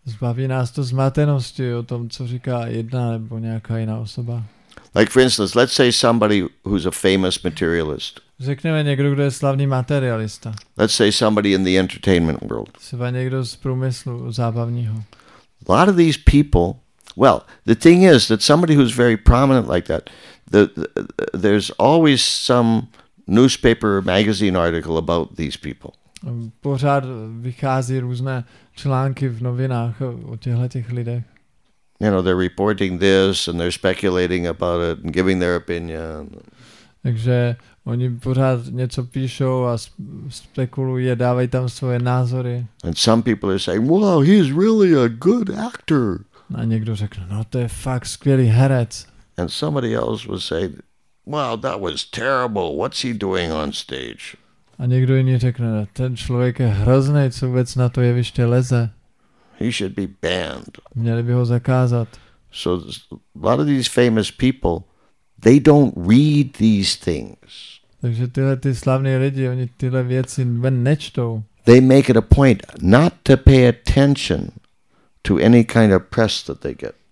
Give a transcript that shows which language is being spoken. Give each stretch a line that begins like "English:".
Czech: Zbaví nás to zmatenosti o tom, co říká jedna nebo nějaká jiná osoba.
English: Like for instance, let's say somebody who's a famous materialist.
Czech: Řekněme někdo, kdo je slavný materialista.
English: Let's say somebody in the entertainment world.
Czech: Třeba někdo z průmyslu zábavního.
English: A lot of these people, well, the thing is that somebody who's very prominent like that, there's always some newspaper or magazine article about these people.
Czech: Pořád vychází různé články v novinách o těchto těch lidech.
English: You know, they're reporting this and they're speculating about it and giving their opinion.
Czech: Takže oni pořád něco píšou a spekulují, dávají tam svoje názory.
English: And some people are saying, wow, he's really a good actor.
Czech: A někdo řekne, no to je fakt skvělý herec.
English: And somebody else would say, wow, that was terrible, what's he doing on stage?
Czech: A někdo jiný řekne, ten člověk je hrozný, co vůbec na to jeviště leze.
English: He should be banned.
Czech: Měli by ho zakázat.
English: So a lot of these famous people, they don't read these things.
Czech: Takže tyhle ty slavní lidi, oni tyhle věci nečtou.
English: They make it a point not to pay attention to any kind of press that they get.